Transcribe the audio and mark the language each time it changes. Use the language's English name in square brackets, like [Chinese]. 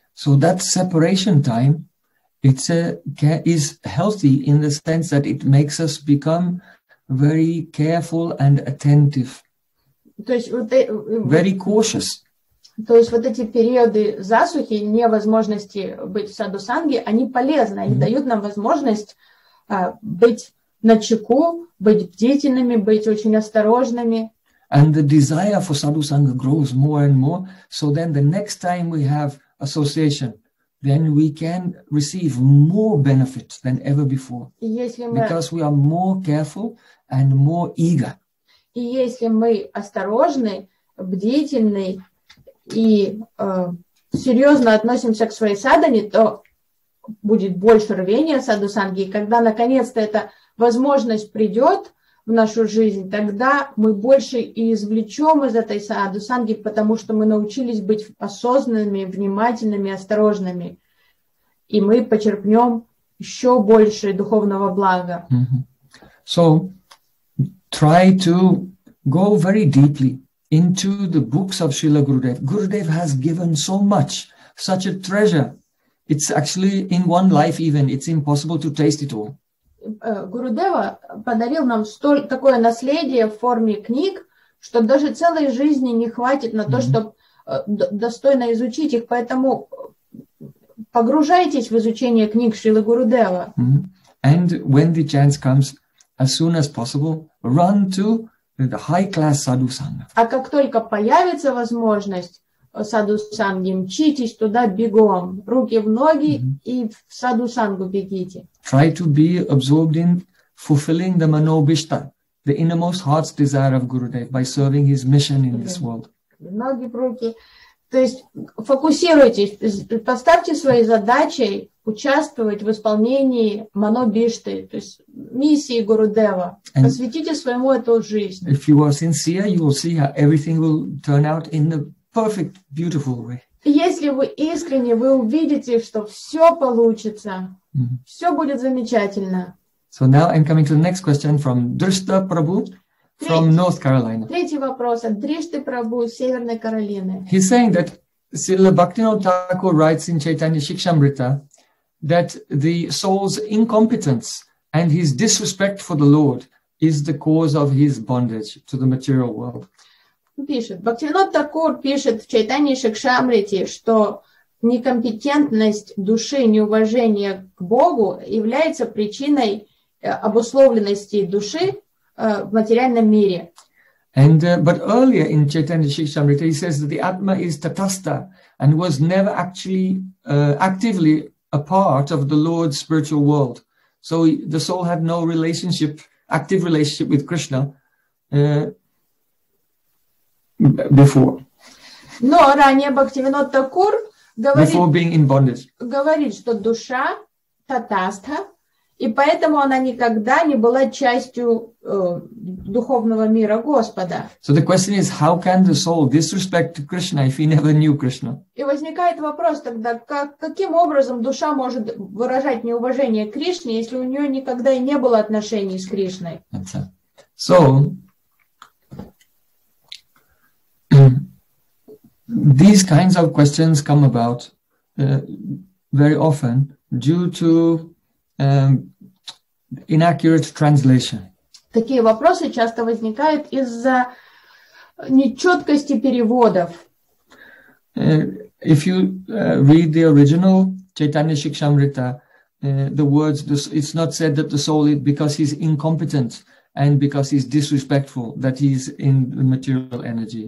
[English] So that separation time, it's is healthy in the sense that it makes us become very careful and attentive. [Russian] То есть, вот, [English] very cautious. [Russian] То есть вот эти периоды засухи, невозможности быть в саду санги, они полезны, они дают нам возможность быть начеку, быть бдительными, быть очень осторожными. [English] And the desire for sadhu sangha grows more and more, so then the next time we have association, then we can receive more benefits than ever before. Because we are more careful and more eager. [Russian] И если мы осторожны, бдительны и серьезно относимся к своей садхане, то будет больше рвения саду санги. И когда наконец-то эта возможность придет в нашу жизнь, тогда мы больше и извлечем из этой саду санги, потому что мы научились быть осознанными, внимательными, осторожными. И мы почерпнем еще больше духовного блага. [English] So, try to go very deeply into the books of Srila Gurudev. Gurudev has given so much, such a treasure. It's actually in one life even, it's impossible to taste it all. [Russian] Гурудева подарил нам столь такое наследие в форме книг, что даже целой жизни не хватит на то, чтобы достойно изучить их. Поэтому погружайтесь в изучение книг Шрилы Гурудева. [English] And when the chance comes, as soon as possible, run to the high-class sadhu sangha. [Russian] А как только появится возможность саду санги, мчитесь туда бегом, руки в ноги и в саду сангу бегите. [English] Try to be absorbed in fulfilling the manobishta, the innermost heart's desire of Gurudev by serving his mission in this world. [Russian] Ноги в руки. То есть фокусируйтесь, поставьте своей задачей участвовать в исполнении манобишты, то есть миссии Гурудева. [English] And [Russian] посвятите своему эту жизнь. [English] If you are sincere, you will see how everything will turn out in the perfect, beautiful way. [Russian] Если вы искренне, вы увидите, что все получится, все будет замечательно. [English] So now I'm coming to the next question from Drishta Prabhu. From North Carolina. [Russian] Третий вопрос от Дришты Прабху, Северной Каролины. [English] He's saying that Srila Bhaktivinoda Thakur writes in Chaitanya Shikshamrita that the soul's incompetence and his disrespect for the Lord is the cause of his bondage to the material world. [Russian] Пишет, Бхактивинода Такур пишет в Чайтанье Шикшамрите, что некомпетентность души, неуважение к Богу является причиной обусловленности души в материальном мире. [English] And but earlier in Chaitanya Shikshamrita he says that the Atma is tatastha and was never actually actively a part of the Lord's spiritual world. So the soul had no relationship, active relationship with Krishna before. [Russian] Но ранее Бхактивинода Такур говорит, [English] before being in bondage, [Russian] говорит, что душа татастха, и поэтому она никогда не была частью духовного мира Господа. [English] So the question is, how can the soul disrespect Krishna if he never knew Krishna? [Russian] И возникает вопрос тогда, каким образом душа может выражать неуважение к Кришне, если у нее никогда и не было отношений с Кришной? [English] So these kinds of questions come about very often due to inaccurate translation. [Russian] Такие вопросы часто возникают из-за нечеткости переводов. [English] If you read the original Chaitanya Shikshamrita, the words, it's not said that the soul is because he's incompetent and because he's disrespectful that he's in the material energy.